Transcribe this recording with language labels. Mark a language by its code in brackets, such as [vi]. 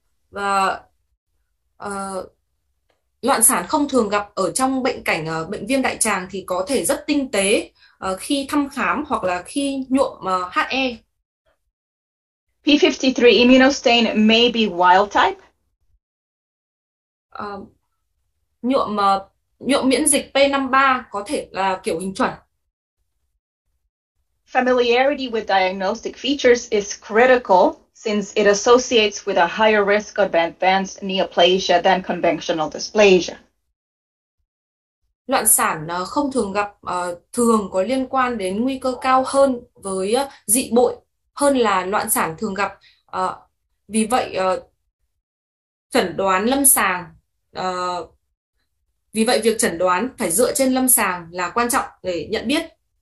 [vi] Và loạn sản không thường gặp ở trong bệnh cảnh bệnh viêm đại tràng thì có thể rất tinh tế khi thăm khám hoặc là khi nhuộm HE. [en] P53 immunostain may be wild type. [vi] Nhuộm miễn dịch P53 có thể là kiểu hình chuẩn. [en] Familiarity with diagnostic features is critical since it associates with a higher risk of advanced neoplasia than conventional dysplasia. [vi] Loạn sản không thường gặp thường có liên quan đến nguy cơ cao hơn với dị bội hơn là loạn sản thường gặp. Vì vậy chẩn đoán lâm sàng vì vậy việc chẩn đoán phải dựa trên lâm sàng là quan trọng để nhận biết.